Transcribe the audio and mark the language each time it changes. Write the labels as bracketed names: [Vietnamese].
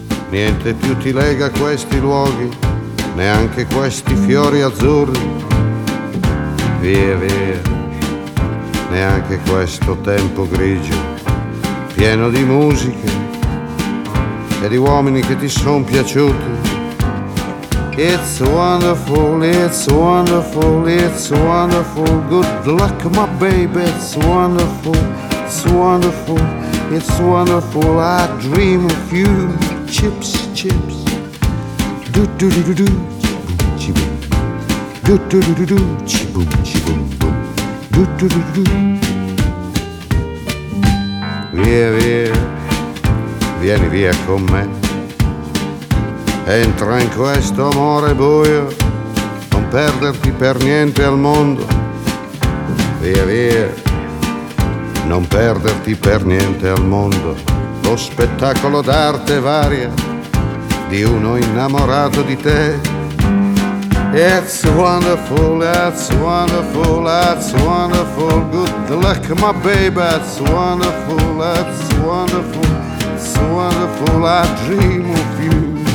[Italian] Niente più ti lega a questi luoghi, neanche questi fiori azzurri. Via, via, neanche questo tempo grigio, pieno di musiche e di uomini che ti son piaciuti. [English] It's wonderful, it's wonderful, it's wonderful. Good luck, my baby, it's wonderful, it's wonderful, it's wonderful. I dream of you, chips, chips. Do do do do do, chibum, chibum. Do do do do do, chibum, chibum, boom. [Italian] Do do do do do. Via, via, vieni via con me. Entra in questo amore buio, non perderti per niente al mondo. Via, via, non perderti per niente al mondo. Lo spettacolo d'arte varia di uno innamorato di te. [English] It's wonderful, that's wonderful, that's wonderful. Good luck, my baby, that's wonderful, that's wonderful, it's wonderful, I dream of you.